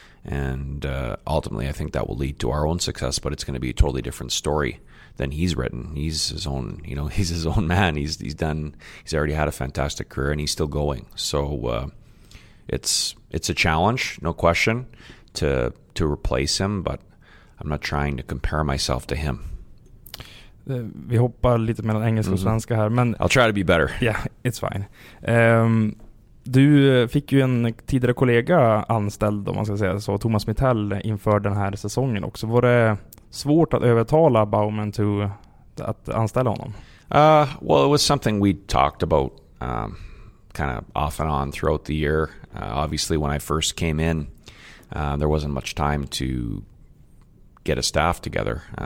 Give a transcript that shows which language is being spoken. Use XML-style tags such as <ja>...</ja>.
<en>And ultimately, I think that will lead to our own success, but it's going to be a totally different story than he's written. He's his own, he's his own man. He's already had a fantastic career, and he's still going. So it's a challenge, no question, to replace him, but I'm not trying to compare myself to him.</en> <sv>Vi hoppar lite mellan engelska och svenska här, men</sv> <en>I'll try to be better. Yeah, it's fine.</en> <sv>Du fick ju en tidigare kollega anställd, om man ska säga så, Thomas Mitell, inför den här säsongen också. Var det svårt att övertala Bowman att anställa honom?</sv> <en>It was something we talked about kind of off and on throughout the year. Obviously, when I first came in, there wasn't much time to get a staff together.</en>